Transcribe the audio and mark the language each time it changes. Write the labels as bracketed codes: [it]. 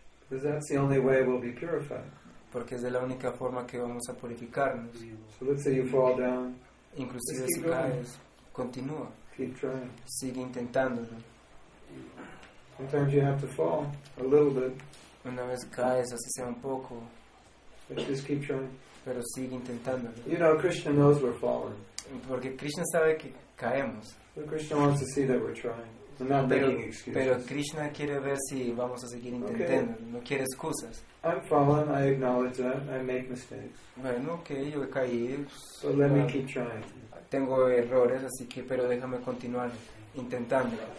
[en] Because that's the only way we'll be purified. [es] Porque es de la única forma que vamos a purificarnos. [en] So let's say you fall down. [es] Inclusive si caes, continúa. [en] Keep trying. [es] Sigue intentándolo. [en] Sometimes you have to fall a little bit. [es] Una vez caes, así sea un poco. [en] But just keep trying. [es] Pero sigue intentándolo. [en] You know, Krishna knows we're falling. [es] Porque Krishna sabe que caemos. [en] So Krishna wants to see that we're trying. [es] Pero Krishna quiere ver si vamos a seguir intentando. [en] Okay. [es] No quiere excusas. [en] I'm fallen, I acknowledge that, I make mistakes. [es] Bueno, okay, yo he caído. [en] So let me keep trying. [es] Tengo errores, así que, pero déjame continuar intentando.